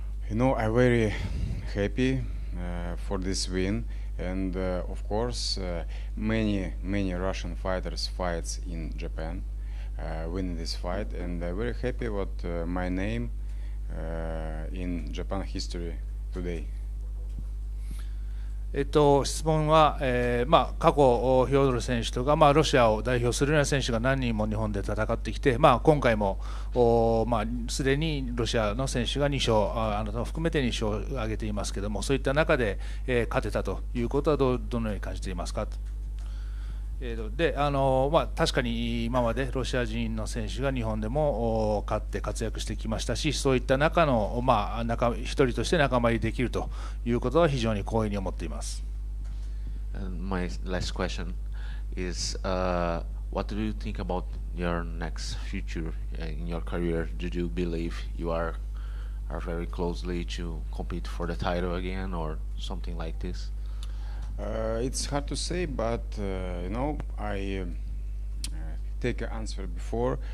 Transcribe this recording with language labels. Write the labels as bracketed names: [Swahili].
[English] You know, I'm very happy for this win, and of course, many Russian fighters fight in Japan, win this fight, and I'm very happy what my name in Japan history today. [Japanese] 質問は、過去フィオドル選手とか、ロシアを代表するような選手が何人も日本で戦ってきて、今回もすで、にロシアの選手が2勝あなたも含めて2勝を挙げていますけれども、そういった中で、勝てたということは どのように感じていますかと。で、確かに今までロシア人の選手が日本でも勝って活躍してきましたし、そういった中の、一人として仲間入りできるということは非常に光栄に思っています。 [English] My last question is what do you think about your next future in your career? Do you believe you are very closely to compete for the title again or something like this? It's hard to say, but you know, I take an answer before.